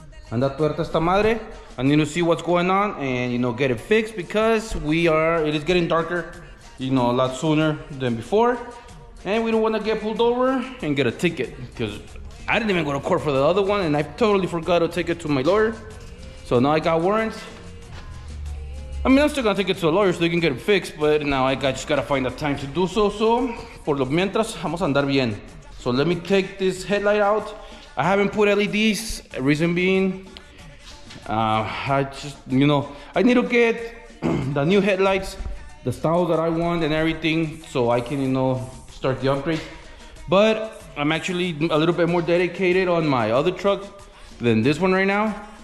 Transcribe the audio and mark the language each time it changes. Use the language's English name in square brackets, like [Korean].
[Spanish] Anda tuerta esta madre. [English] I need to see what's going on and, you know, get it fixed because it is getting darker, you know, a lot sooner than before, and we don't want to get pulled over and get a ticket because I didn't even go to court for the other one and I totally forgot to take it to my lawyer. So now I got warrants. I mean, I'm still gonna take it to the lawyer so they can get it fixed, but now I just gotta find the time to do so. So, [Spanish] por lo mientras, vamos a andar bien. [English] So let me take this headlight out. I haven't put LEDs, reason being, I need to get the new headlights, the style that I want and everything, so I can, you know, start the upgrade. But I'm actually a little bit more dedicated on my other truck than this one right now.